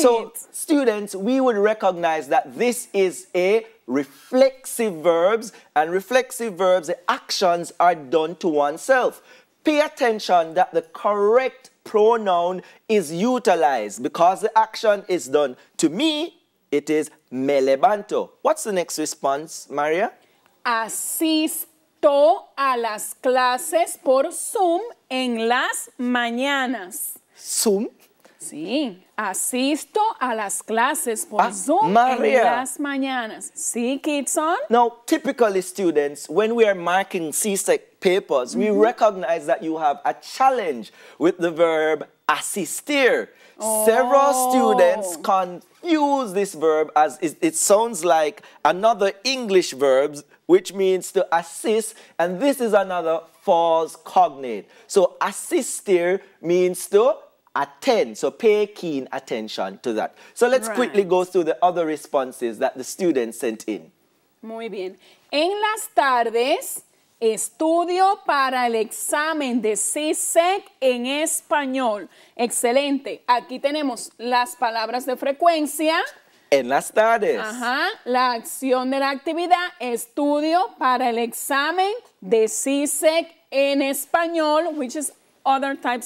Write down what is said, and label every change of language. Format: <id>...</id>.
<en>So, students, we would recognize that this is a reflexive verb. And reflexive verbs, the actions are done to oneself. Pay attention that the correct pronoun is utilized. Because the action is done to me, it is</en> <es>me levanto.</es> <en>What's the next response, María?</en> <es>Asisto a las clases por Zoom en las mañanas. ¿Zoom? Sí, asisto a las clases por Zoom, María, en las mañanas. ¿Sí, Kitson?</es> <en>Now, typically students, when we are marking CSEC papers, we recognize that you have a challenge with the verb asistir. Several students confuse this verb as it sounds like another English verb, which means to assist, and this is another false cognate. So assistir means to attend, so pay keen attention to that. So let's quickly go through the other responses that the students sent in.</en> <es>Muy bien. En las tardes, estudio para el examen de CSEC en español. Excelente. Aquí tenemos las palabras de frecuencia. En las tardes. Ajá. La acción de la actividad, estudio para el examen de CSEC en español,</es> <en>which is other types</en>